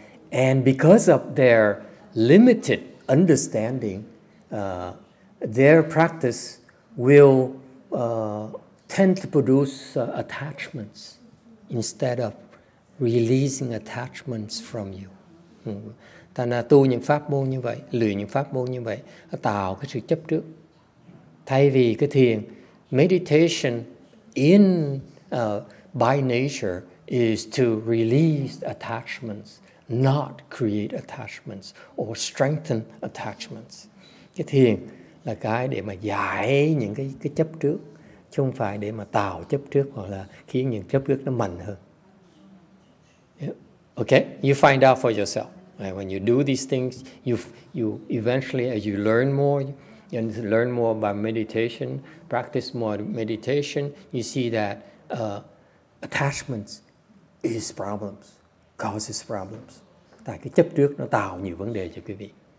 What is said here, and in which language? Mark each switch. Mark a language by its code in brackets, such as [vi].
[en] And because of their limited understanding, their practice will tend to produce attachments instead of releasing attachments from you. [vi] Thành ra tu những pháp môn như vậy, luyện những pháp môn như vậy, nó tạo cái sự chấp trước. Thay vì cái thiền, [en] meditation in by nature is to release attachments, not create attachments or strengthen attachments. [vi] Cái thiền là cái để mà giải những cái chấp trước, chứ không phải để mà tạo chấp trước hoặc là khiến những chấp trước nó mạnh hơn. [en] Yeah. Okay, you find out for yourself. When you do these things, you eventually, as you learn more, and learn more about meditation, practice more meditation, you see that attachments is problems, causes problems. [vi] Tại cái chấp trước nó tạo nhiều vấn đề cho quý vị.